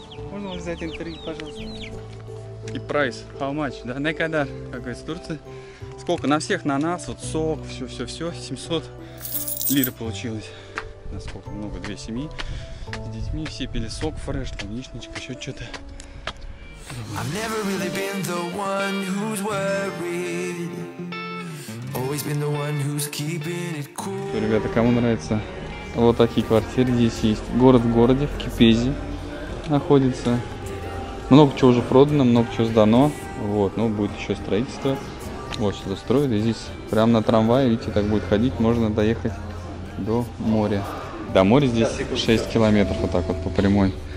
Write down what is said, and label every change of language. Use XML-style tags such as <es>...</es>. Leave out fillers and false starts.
<ru>Можно взять интервью, пожалуйста? И прайс,</ru> <en>how much,</en> <ru>да? Некогда, как говорится, Турция. Сколько? На всех, на нас, вот сок, все. 700 лир получилось. Насколько много, две семьи с детьми. Все пили сок, фреш, там, яичничка, еще что-то.</ru> <en>I've never really been the one who's worried. Always been the one who's keeping it cool.</en> <ru>Что, ребята, кому нравится? Вот такие квартиры здесь есть. Город в городе, в Кипезе находится. Много чего уже продано, много чего сдано. Вот, ну будет еще строительство. Вот что-то строят. И здесь прямо на трамвае, видите, так будет ходить. Можно доехать до моря. До моря здесь 6 километров вот так вот по прямой.</ru>